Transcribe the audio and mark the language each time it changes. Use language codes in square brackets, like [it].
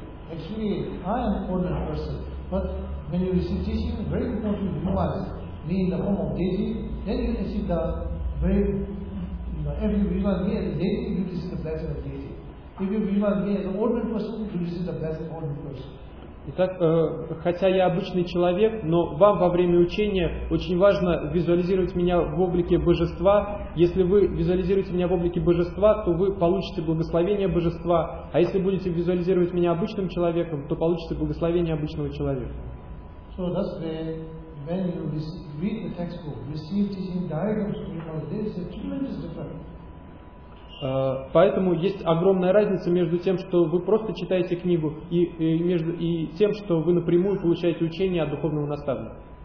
[en] Actually, I am an ordinary person, but when you receive teaching, very important to realize me in the form of deity, then you receive the very, you know, every realize me as a deity, you receive the blessing of deity. If you realize me as an ordinary person, you receive the blessing of ordinary person. [ru] Итак, хотя я обычный человек, но вам во время учения очень важно визуализировать меня в облике божества. Если вы визуализируете меня в облике божества, то вы получите благословение божества. А если будете визуализировать меня обычным человеком, то получите благословение обычного человека. [en] So that's where, when you read the textbook, receive teaching directly, there is a tremendous difference. [ru] Поэтому есть огромная разница между тем, что вы просто читаете книгу, и тем, что вы напрямую получаете учение от духовного наставника.